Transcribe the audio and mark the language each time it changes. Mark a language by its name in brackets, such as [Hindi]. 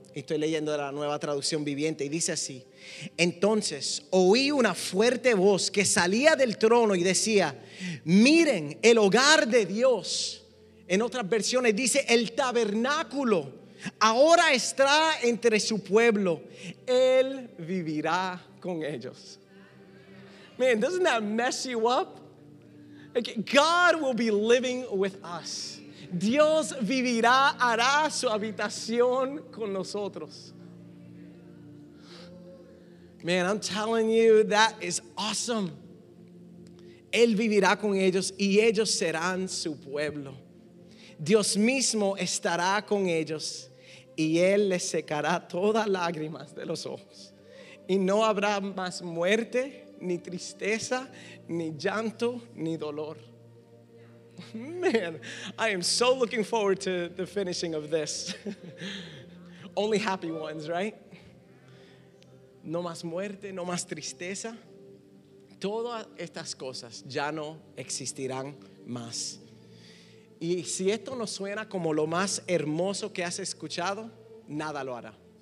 [Spanish] Estoy leyendo de la Nueva Traducción Viviente y dice así: Entonces oí una fuerte voz que salía del trono y decía: Miren el hogar de Dios. En otras versiones dice el tabernáculo ahora está entre su pueblo. Él vivirá con ellos. [English] Man, doesn't that mess you up? God will be living with us. [Spanish] Dios vivirá, hará su habitación con nosotros. [English] Man, I'm telling you, that is awesome. [Spanish] Él vivirá con ellos y ellos serán su pueblo. Dios mismo estará con ellos y Él les secará todas lágrimas de los ojos. Y no habrá más muerte, ni tristeza, ni llanto, ni dolor. [English] Man, I am so looking forward to the finishing of this. Only happy ones, right? [Spanish] No más muerte, no más tristeza. Todas estas cosas ya no existirán más. Y si esto no suena como lo más hermoso que has escuchado, nada lo hará.